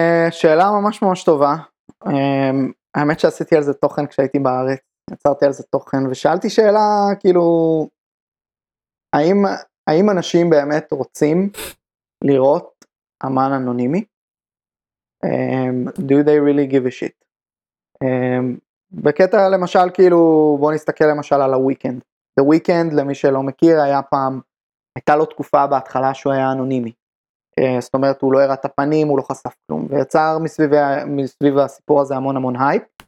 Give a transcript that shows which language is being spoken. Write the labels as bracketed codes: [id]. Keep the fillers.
[he] שאלה ממש ממש טובה. האמת שעשיתי על זה תוכן כשהייתי בארץ. יצרתי על זה תוכן ושאלתי שאלה כאילו האם האם אנשים באמת רוצים לראות אמן אנונימי? [en] Um, do they really give a shit? [he] Um, בקטע למשל כאילו בוא נסתכל למשל על הוויקנד. The weekend למי שלא מכיר היה פעם הייתה לו תקופה בהתחלה שהוא היה אנונימי. Uh, זאת אומרת הוא לא הראה את הפנים הוא לא חשף כלום ויצר מסביב, מסביב הסיפור הזה המון המון הייפ.